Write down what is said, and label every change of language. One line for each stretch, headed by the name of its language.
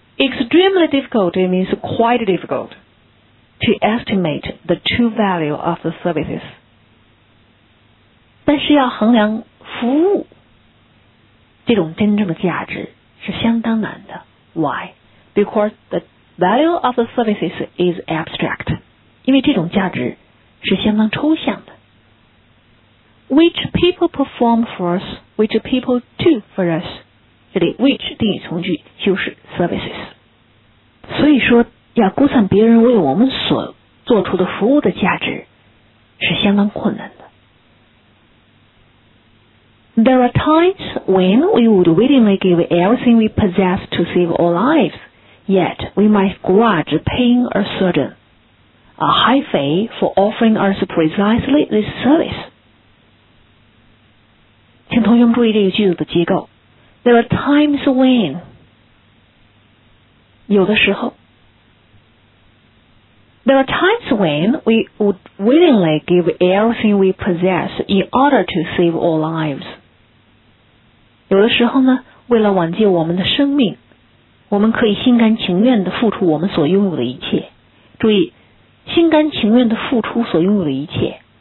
English: Extremely difficult, it means quite difficult, to estimate the true value of the services.
Chinese: 但是要衡量服务这种真正的价值是相当难的。
English: Why? Because the value of the services is abstract.
Chinese: 因为这种价值是相当抽象的。
English: Which people perform for us, which people do for us.
Chinese: 这里 which 定语从句就是 services. 所以说要估算别人为我们所做出的服务的价值是相当困难的。
English: There are times when we would willingly give everything we possess to save our lives, yet we might grudge paying a surgeon a high fee for offering us precisely this service.
Chinese: 请同学们注意这个句子的结构。
English: There are times when,
Chinese: 有的时候。
English: There are times when we would willingly give everything we possess in order to save our lives.
Chinese: 有的时候呢，为了挽救我们的生命，我们可以心甘情愿地付出我们所拥有的一切。注意，心甘情愿地付出所拥有的一切。